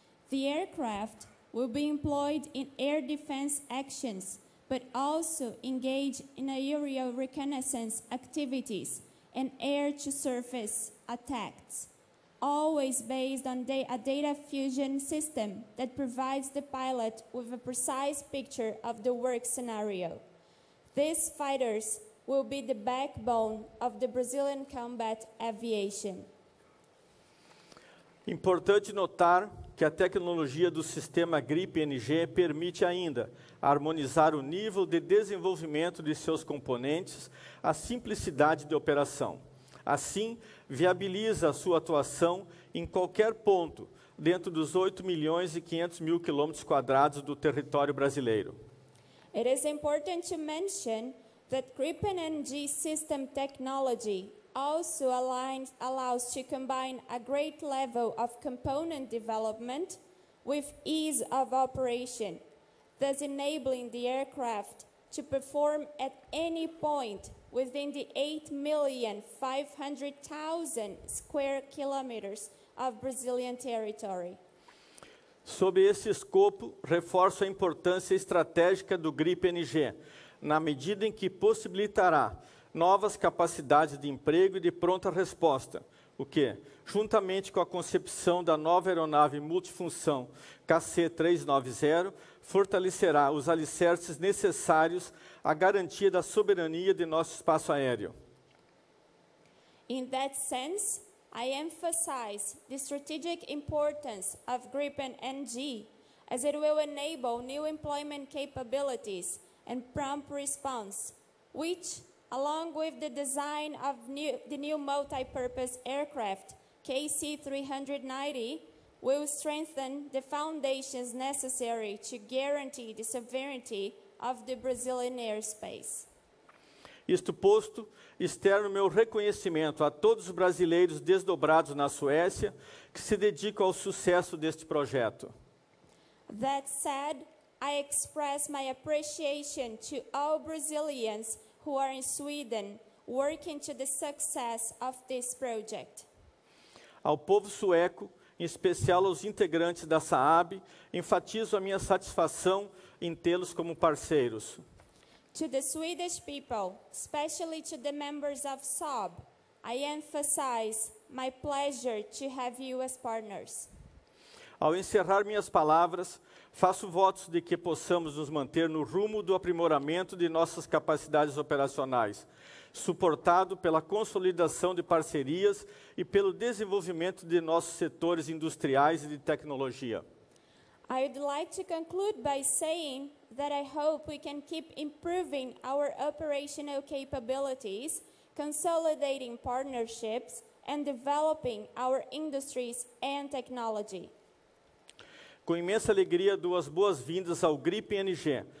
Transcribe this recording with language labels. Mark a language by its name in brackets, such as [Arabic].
[English] The aircraft will be employed in air defense actions, but also engage in aerial reconnaissance activities and air-to-surface attacks, always based on a data fusion system that provides the pilot with a precise picture of the work scenario. These fighters will be the backbone of the Brazilian combat aviation. [Portuguese] Importante notar que a tecnologia do sistema GRIPEN-NG permite ainda harmonizar o nível de desenvolvimento de seus componentes à simplicidade de operação. Assim, viabiliza a sua atuação em qualquer ponto dentro dos 8.500.000 quilômetros quadrados do território brasileiro. [English] It is important to mention that GRIPEN NG system technology also allows to combine a great level of component development with ease of operation, thus enabling the aircraft to perform at any point within the 8,500,000 square kilometers of Brazilian territory. [Portuguese] Sob esse escopo, reforço a importância estratégica do GRIPEN-NG, na medida em que possibilitará novas capacidades de emprego e de pronta resposta, o que, juntamente com a concepção da nova aeronave multifunção KC-390, fortalecerá os alicerces necessários à garantia da soberania de nosso espaço aéreo. [English] In that sense, I emphasize the strategic importance of Gripen NG, as it will enable new employment capabilities and prompt response, which, along with the design of the new multi-purpose aircraft, KC-390, will strengthen the foundations necessary to guarantee the sovereignty of the Brazilian airspace. [Portuguese] Isto posto, externo meu reconhecimento a todos os brasileiros desdobrados na Suécia que se dedicam ao sucesso deste projeto. [English] That said, I express my appreciation to all Brazilians who are in Sweden working to the success of this project. [Portuguese] Ao povo sueco, em especial aos integrantes da Saab, enfatizo a minha satisfação em tê-los como parceiros. [English] To the Swedish people, especially to the members of Saab, I emphasize my pleasure to have you as partners. [Portuguese] Ao encerrar minhas palavras, faço votos de que possamos nos manter no rumo do aprimoramento de nossas capacidades operacionais, suportado pela consolidação de parcerias e pelo desenvolvimento de nossos setores industriais e de tecnologia. [English] I would like to conclude by saying that I hope we can keep improving our operational capabilities, consolidating partnerships, and developing our industries and technology. [Portuguese] Com imensa alegria, dou as boas-vindas ao GRIPEN-NG.